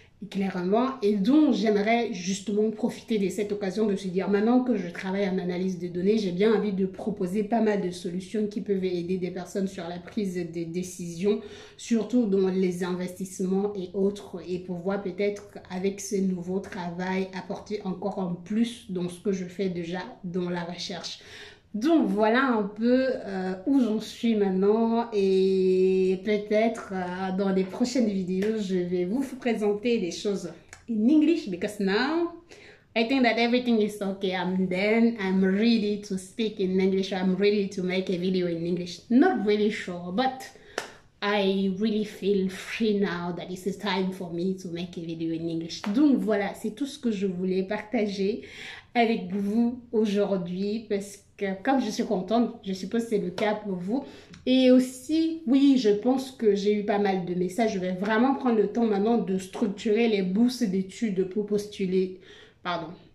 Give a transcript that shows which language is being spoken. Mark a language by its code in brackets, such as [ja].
[fr] clairement, et dont j'aimerais justement profiter de cette occasion de se dire, maintenant que je travaille en analyse de données, j'ai bien envie de proposer pas mal de solutions qui peuvent aider des personnes sur la prise des décisions, surtout dans les investissements et autres, et pouvoir peut-être, avec ce nouveau travail, apporter encore en plus dans ce que je fais déjà dans la recherche. Donc voilà un peu où j'en suis maintenant et peut-être dans les prochaines vidéos, je vais vous présenter des choses [en] in English because now I think that everything is okay. I'm done. I'm ready to speak in English. I'm ready to make a video in English. Not really sure, but I really feel free now that it's time for me to make a video in English. [fr] Donc voilà, c'est tout ce que je voulais partager avec vous aujourd'hui parce que comme je suis contente, je suppose que c'est le cas pour vous. Et aussi, oui, je pense que j'ai eu pas mal de messages. Je vais vraiment prendre le temps maintenant de structurer les bourses d'études pour postuler. Pardon.